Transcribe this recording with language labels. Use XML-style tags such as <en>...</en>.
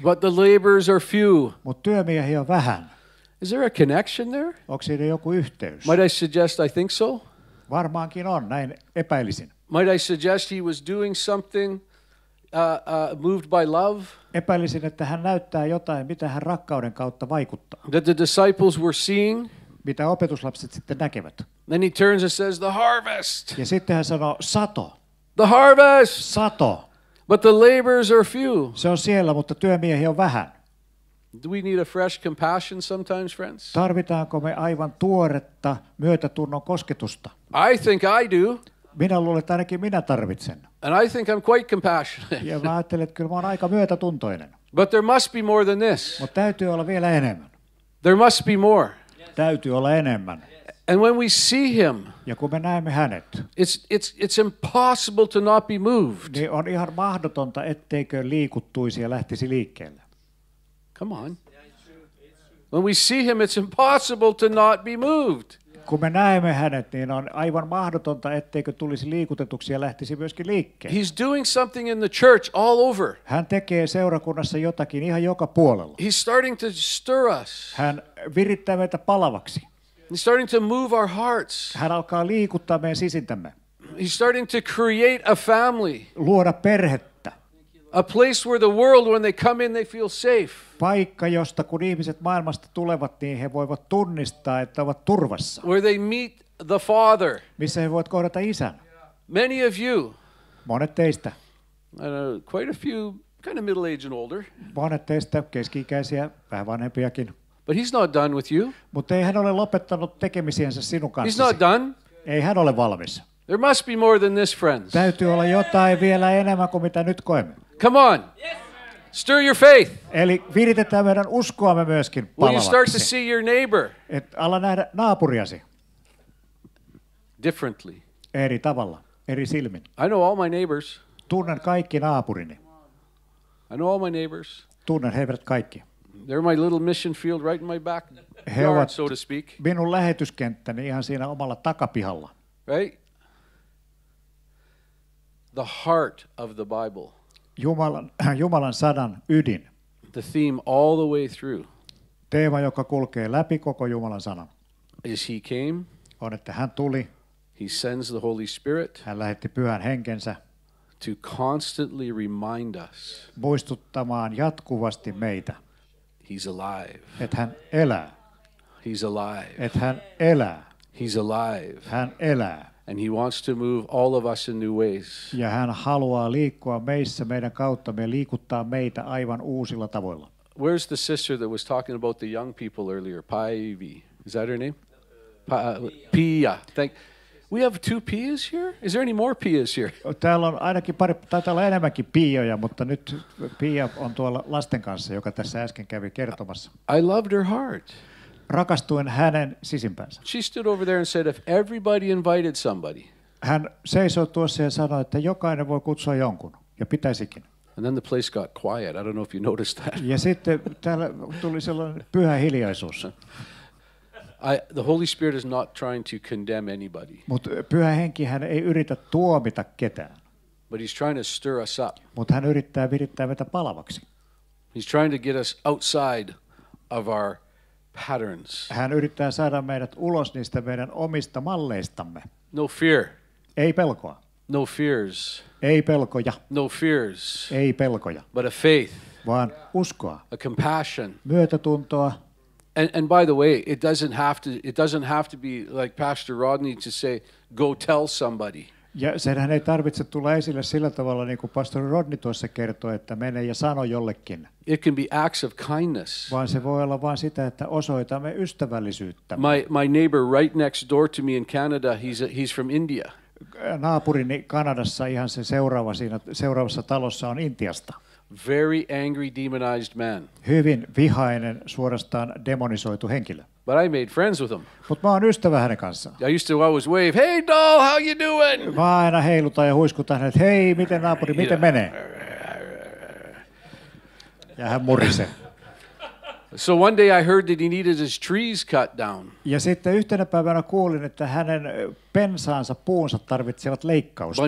<en>But the laborers are few.</en> <fi>Mut työmiehiä on vähän.</fi> <en>Is there a connection there?</en> <fi>Onko siinä joku yhteys?</fi> <en>Might I suggest I think so?</en> <fi>Varmaankin on, näin epäilisin.</fi> <en>Might I suggest he was doing something moved by love.</en> <fi>Epäilisin, että hän näyttää jotain, mitä hän rakkauden kautta vaikuttaa.</fi> <en>That the disciples were seeing.</en> <fi>Mitä opetuslapset sitten näkevät.</fi> <en>Then he turns and says, the harvest.</en> <fi>Ja sitten hän sanoo, sato.</fi> <en>The harvest.</en> <fi>Sato.</fi> <en>But the laborers are few.</en> <fi>Se on siellä, mutta työmiehiä on vähän.</fi> <en>Do we need a fresh compassion sometimes, friends?</en> <fi>Tarvitaanko me aivan tuoretta myötätunnon kosketusta?</fi> <en>I think I do.</en> <fi>Minä luulen, että ainakin minä tarvitsen.</fi> <en>And I think I'm quite compassionate.</en> <fi>Ja mä ajattelen, että kyllä mä oon aika myötätuntoinen.</fi> <en>But there must be more than this.</en> <fi>Mut täytyy olla vielä enemmän.</fi> <en>There must be more.</en> <fi>Täytyy olla enemmän.</fi> <en>And when we see him,</en> <fi>ja kun me näemme hänet,</fi> <en>it's impossible to not be moved.</en> <fi>Niin on ihan mahdotonta, etteikö liikuttuisi ja lähtisi liikkeelle.</fi> <en>Come on. When we see him, it's impossible to not be moved.</en> <fi>Kun me näemme hänet, niin on aivan mahdotonta, etteikö tulisi liikutetuksi ja lähtisi myöskin liikkeelle.</fi> <en>He's doing something in the church all over.</en> <fi>Hän tekee seurakunnassa jotakin ihan joka puolella.</fi> <en>He's starting to stir us.</en> <fi>Hän virittää meitä palavaksi.</fi> <en>He's starting to move our hearts.</en> <fi>Hän alkaa liikuttaa meidän sisintämme.</fi> <en>He's starting to create a family.</en> <fi>Luoda perhettä.</fi> <en>A place where the world, when they come in, they feel safe.</en> <fi>Paikka, josta kun ihmiset maailmasta tulevat, niin he voivat tunnistaa, että ovat turvassa.</fi> <en>Where they meet the Father.</en> <fi>Missä he voivat kohdata Isän.</fi> <en>Many of you.</en> <fi>Monet teistä.</fi> <en>Quite a few, kind of middle-aged and older.</en> <fi>Monet teistä, keski-ikäisiä, vähän vanhempiakin.</fi> <en>But he's not done with you.</en> <fi>Mutta ei hän ole lopettanut tekemisiänsä sinun kanssasi.</fi> <en>He's not done.</en> <fi>Ei hän ole valmis.</fi> <en>There must be more than this, friends.</en> <fi>Täytyy olla jotain vielä enemmän kuin mitä nyt koemme.</fi> <en>Come on. Stir your faith.</en> <fi>Eli viritetään meidän uskoamme myöskin palavaksi.</fi> <en>You start to see your neighbor.</en> <fi>Et ala nähdä naapuriasi.</fi> <en>Differently.</en> <fi>Eri tavalla, eri silmin.</fi> <en>I know all my neighbors.</en> <fi>Tunnen kaikki naapurini.</fi> <en>I know all my neighbors.</en> <fi>Tunnen heidät kaikki.</fi> <en>They're my little mission field right in my back yard, so to speak.</en> <fi>Minun lähetyskenttäni ihan siinä omalla takapihalla.</fi> <en>Right? The heart of the Bible.</en> <fi>Jumalan sanan ydin.</fi> <en>The theme all the way through.</en> <fi>Teema, joka kulkee läpi koko Jumalan sanan.</fi> <en>Is he came?</en> <fi>On, että hän tuli.</fi> <en>He sends the Holy Spirit.</en> <fi>Hän lähetti Pyhän Henkensä.</fi> <en>To constantly remind us.</en> <fi>Muistuttamaan jatkuvasti meitä.</fi> <en>He's alive.</en> <fi>Että hän elää.</fi> <en>He's alive.</en> <fi>Että hän elää.</fi> <en>He's alive.</en> <fi>Hän elää.</fi> <en>And he wants to move all of us in new ways.</en> <fi>Ja hän haluaa liikkua meissä meidän kautta, me liikuttaa meitä aivan uusilla tavoilla.</fi> <en>Where's the sister that was talking about the young people earlier? Päivi. Is that her name? Pia. Thank you. We have two Pias here? Is there any more Pias here?</en> <fi>Täällä on ainakin pari, taitaa olla enemmänkin Pioja, mutta nyt Pia on tuolla lasten kanssa, joka tässä äsken kävi kertomassa.</fi> <en>I loved her heart.</en> <fi>Rakastuin hänen sisimpänsä.</fi> <en>She stood over there and said, if everybody invited somebody.</en> <fi>Hän seisoi tuossa ja sanoi, että jokainen voi kutsua jonkun, ja pitäisikin.</fi> <en>And then the place got quiet. I don't know if you noticed that.</en> <fi>Ja sitten täällä tuli sellainen pyhä hiljaisuus.</fi> <en>The Holy Spirit is not trying to condemn anybody.</en> <fi>Mutta pyhä henki hän ei yritä tuomita ketään.</fi> <en>But he's trying to stir us up.</en> <fi>Mutta hän yrittää virittää meitä palavaksi.</fi> <en>He's trying to get us outside of our patterns.</en> <fi>Hän yrittää saada meidät ulos niistä meidän omista malleistamme.</fi> <en>No fear.</en> <fi>Ei pelkoa.</fi> <en>No fears.</en> <fi>Ei pelkoja.</fi> <en>No fears.</en> <fi>Ei pelkoja.</fi> <en>But a faith.</en> <fi>Vaan uskoa.</fi> <en>A compassion.</en> <fi>Myötätuntoa.</fi> <en>And by the way, it doesn't have to be like Pastor Rodney to say go tell somebody.</en> <fi>Ja senhän ei tarvitse tulla esille sillä tavalla niin kuin Pastor Rodney tuossa kertoi, että mene ja sano jollekin.</fi> <en>It can be acts of kindness.</en> <fi>Vaan se voi olla vain sitä, että osoitamme ystävällisyyttä.</fi> <en>My neighbor right next door to me in Canada, he's from India.</en> <fi>Naapurini Kanadassa ihan se seuraava siinä seuraavassa talossa on Intiasta.</fi> <en>Very angry, demonized man.</en> <fi>Hyvin vihainen, suorastaan demonisoitu henkilö.</fi> <en>But I made friends with him.</en> <fi>Mut mä oon ystävä hänen kanssaan.</fi> <en>I used to always wave, hey doll, how you doing?</en> <fi>Mä aina heilutan ja huiskutan hänet, hei, miten naapuri, miten menee? Ja hän murisee.</fi> <en>So one day I heard that he needed his trees cut down.</en> <fi>Ja sitten yhtenä päivänä kuulin, että hänen pensaansa, puunsa tarvitsevat leikkausta.</fi>